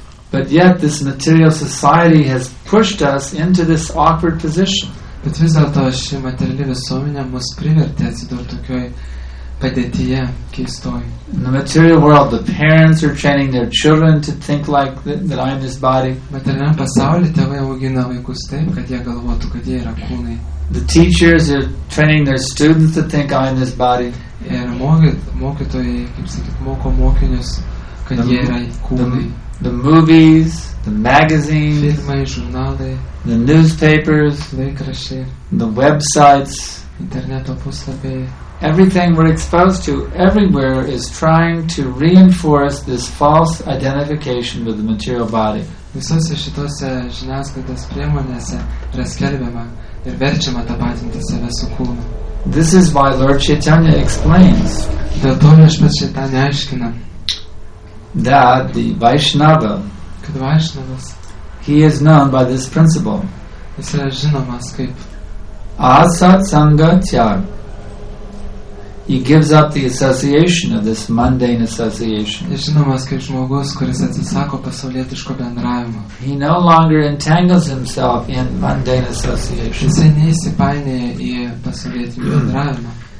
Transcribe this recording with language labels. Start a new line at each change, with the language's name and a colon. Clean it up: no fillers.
English: But yet this material society has pushed us into this awkward position.
Lithuanian: Bet vis dėlto ši materiali visuomenė mus privertė atsidurti tokioj padėtyje keistoj.
English: In the material world, the parents are training their children to think like that I'm this body.
Lithuanian: Materialiam pasaulyje tėvai augina vaikus taip, kad jie galvotų, kad jie yra kūnai.
English: The teachers are training their students to think I'm this body.
Lithuanian: Ir mokytojai, kaip sakyt, moko mokinius, kad jie yra kūnai.
English: The movies, the magazines,
Lithuanian: filmai, žurnalai,
English: the newspapers,
Lithuanian: laikrašiai,
English: the websites,
Lithuanian: interneto puslapiai.
English: Everything we're exposed to everywhere is trying to reinforce this false identification with the material body.
Lithuanian: Visose šitose žiniasklaidos priemonėse yra skelbiama ir verčiama tapatinti save su kūnu.
English: This is why Lord Chaitanya explains.
Lithuanian: Dėl to viešpats Chaitanya aiškina.
English: That the Vaishnava,
Lithuanian: kad Vaishnavas,
English: he is known by this principle.
Lithuanian: Jis yra žinomas kaip
Sanskrit: Asat Sanga Tyag.
English: He gives up the association of this mundane association.
Lithuanian: Jis žinomas kaip žmogus, kuris atsisako pasaulietiško bendravimo.
English: He no longer entangles himself in mundane association.
Lithuanian: Jis neįsipainioja į pasaulietinį bendravimą.